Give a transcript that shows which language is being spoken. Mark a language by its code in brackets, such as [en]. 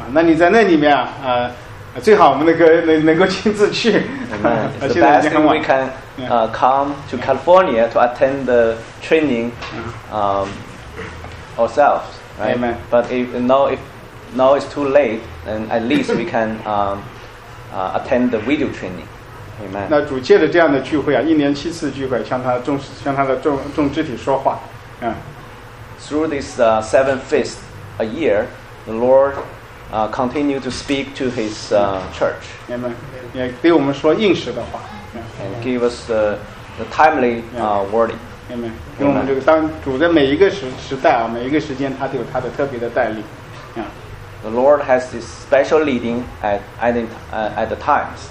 [zh] 那你在那里面最好我们能够亲自去。 [en] Amen. It's the best thing we can come to California to attend the training ourselves, right? Amen. But if now it's too late, then at least we can attend the video training. Amen. [zh] 那主借着这样的聚会一年七次聚会向他的众肢体说话 [en] Through this seven feast a year the Lord continue to speak to his church [zh] Amen. 也对我们说应时的话 [en] And give us the timely wording Amen. [zh] 给我们这个当主在每一个时代每一个时间他都有他的特别的带领 [en] The Lord has this special leading at the times.